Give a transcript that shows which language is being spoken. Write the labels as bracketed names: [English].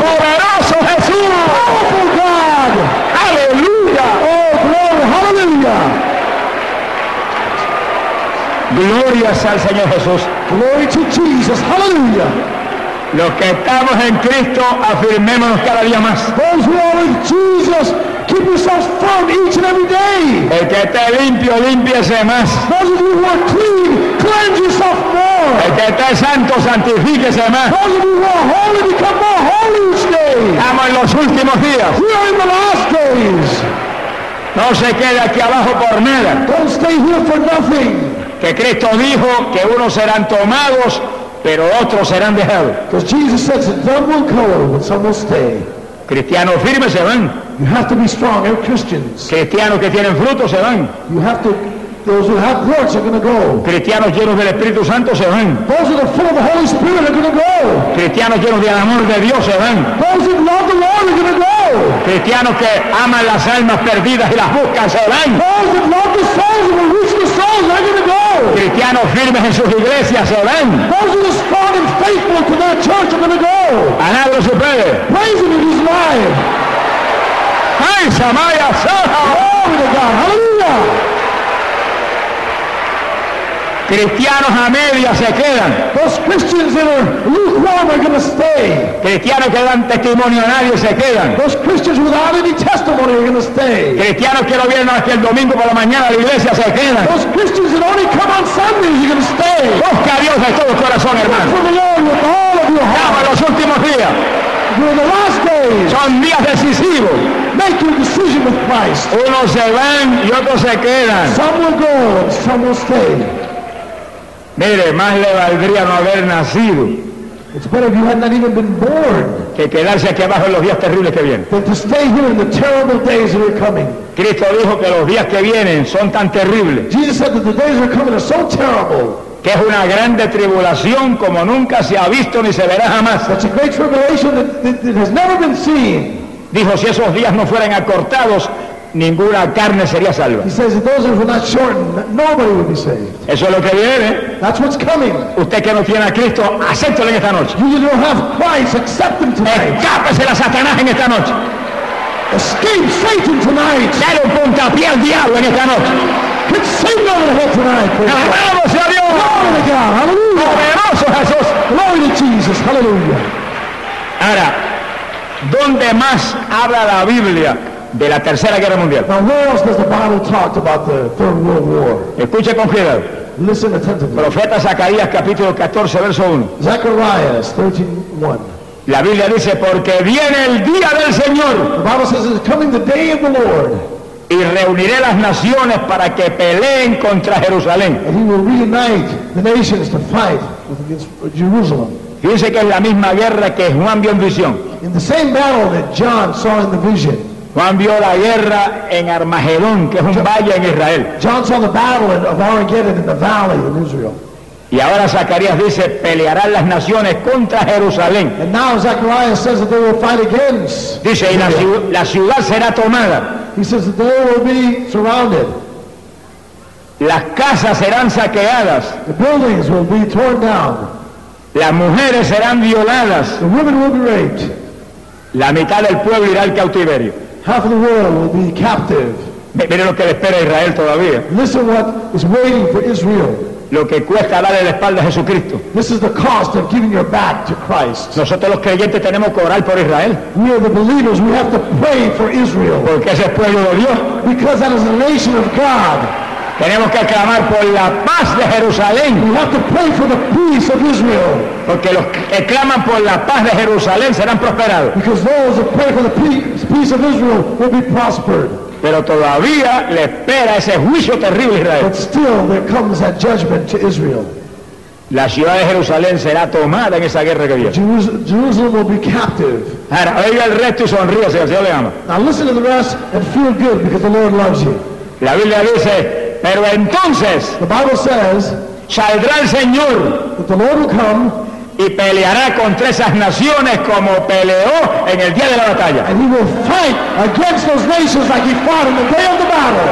[Spanish] Poderoso Jesús. [English] Powerful God. [Spanish] Aleluya. [English] Oh, glory, hallelujah. [Spanish] Gloria sea al Señor Jesús. [English] Glory to Jesus, hallelujah. [Spanish] Los que estamos en Cristo, afirmémonos cada día más. [English] Those who are with Jesus, keep yourselves firm each and every day. [Spanish] El que esté limpio, límpiese más. [English] Those of you who are clean, cleanse yourself more. [Spanish] El que esté santo, santifíquese más. [English] Those of you who are holy, become more holy each day. [Spanish] Estamos en los últimos días. [English] We are in the last days. [Spanish] No se quede aquí abajo por nada. [English] Don't stay here for nothing. [Spanish] Que Cristo dijo que unos serán tomados, pero otros serán dejados. [English] Because Jesus said some will go, but some will stay. [Spanish] Cristianos firmes se van. [English] You have to be strong, you're Christians. [Spanish] Cristianos que tienen frutos se van. [English] You have to. Those who have works are going to go. [Spanish] Cristianos llenos del Espíritu Santo se van. [English] Those who are full of the Holy Spirit are going to go. [Spanish] Cristianos llenos del amor de Dios se van. [English] Those who love the Lord are going to go. [Spanish] Cristianos que aman las almas perdidas y las buscan se van. [English] Those who love the souls and will reach the souls are going to go. [Spanish] Cristianos firmes en sus iglesias se van. [English] Those who are strong and faithful to their church are going to go. [Spanish] Alabado sea Él. [English] Praise Him in His life. ¡Ay, Samaya, glory to God! Hallelujah. [Spanish] Cristianos a medias se quedan. [English] Those Christians that are lukewarm are going to stay. [Spanish] Cristianos que dan testimonio a nadie se quedan. [English] Those Christians without any testimony are going to stay. [Spanish] Cristianos que no vienen aquí el domingo por la mañana a la iglesia se quedan. [English] Those Christians that only come on Sundays are going to stay. [Spanish] Busca a Dios de todo corazón, hermano. [English] For the Lord with all of your heart. [Spanish] Ya para los últimos días. [English] You're in the last days. [Spanish] Son días decisivos. [English] Make your decision with Christ. [Spanish] Unos se van y otros se quedan. [English] Some will go, some will stay. [Spanish] Mire, más le valdría no haber nacido. [English] It's better if you had not even been born. [Spanish] Que quedarse aquí abajo en los días terribles que vienen. [English] But to stay here in the terrible days that are coming. [Spanish] Cristo dijo que los días que vienen son tan terribles. [English] Jesus said that the days that are coming are so terrible. [Spanish] Que es una grande tribulación como nunca se ha visto ni se verá jamás. [English] That's a great tribulation that has never been seen. [Spanish] Dijo, si esos días no fueran acortados, ninguna carne sería salva. [English] He says, those who are not shortened, nobody will be saved. [Spanish] Eso es lo que viene. [English] That's what's coming. [Spanish] Usted que no tiene a Cristo, acéptelo en esta noche. [English] You don't have Christ, accept him tonight. [Spanish] Escápese a Satanás en esta noche. [English] Escape Satan tonight. [Spanish] Dale un puntapié al diablo en esta noche. Alabado sea Dios. [English] Glory to God. Hallelujah. [Spanish] Poderoso Jesús. [English] Glory to Jesus. Hallelujah. [Spanish] Ahora, ¿dónde más habla la Biblia de la Tercera Guerra Mundial? [English] Now, where else does the Bible talk about the Third World War? [Spanish] Escuche con cuidado. [English] Listen attentively. [Spanish] Profeta Zacarías, capítulo 14, verso 1. Zacarías 13:1. La Biblia dice, porque viene el día del Señor. [English] The Bible says, it's coming the day of the Lord. [Spanish] Y reuniré las naciones para que peleen contra Jerusalén. [English] And he will reunite the nations to fight against Jerusalem. [Spanish] Fíjense que es la misma guerra que Juan vio en visión. [English] In the same battle that John saw in the vision. [Spanish] Juan vio la guerra en Armagedón, que es un valle en Israel. [English] John saw the battle of Armageddon in the valley in Israel. [Spanish] Y ahora Zacarías dice, pelearán las naciones contra Jerusalén. [English] And now Zacarías says that they will fight against. [Spanish] Dice, y la ciudad será tomada. [English] He says that they will be surrounded. [Spanish] Las casas serán saqueadas. [English] The buildings will be torn down. [Spanish] Las mujeres serán violadas. [English] The women will be raped. [Spanish] La mitad del pueblo irá al cautiverio. [English] Half of the world will be captive. [Spanish] Mire lo que le espera a Israel todavía. [English] Listen what is waiting for Israel. [Spanish] Lo que cuesta darle la espalda a Jesucristo. [English] This is the cost of giving your back to Christ. [Spanish] Nosotros los creyentes tenemos que orar por Israel. [English] We are the believers. We have to pray for Israel. [Spanish] Porque ese es pueblo de Dios. [English] Because that is the nation of God. [Spanish] Tenemos que clamar por la paz de Jerusalén. [English] We have to pray for the peace of Israel. [Spanish] Porque los que claman por la paz de Jerusalén serán prosperados. [English] Because those who pray for the peace of Israel will be prospered. [Spanish] Pero todavía le espera ese juicio terrible a Israel. [English] But still there comes that judgment to Israel. [Spanish] La ciudad de Jerusalén será tomada en esa guerra que viene. [English] Jerusalem will be captive. [Spanish] Ahora, oiga el resto y sonríe, si el Señor le ama. [English] Now listen to the rest and feel good because the Lord loves you. [Spanish] La Biblia dice, Pero entonces, [English] the Bible says, [Spanish] saldrá el Señor, [English] that the Lord will come, [Spanish] y peleará contra esas naciones como peleó en el día de la batalla. [English] And he will fight against those nations like he fought in the day of the battle.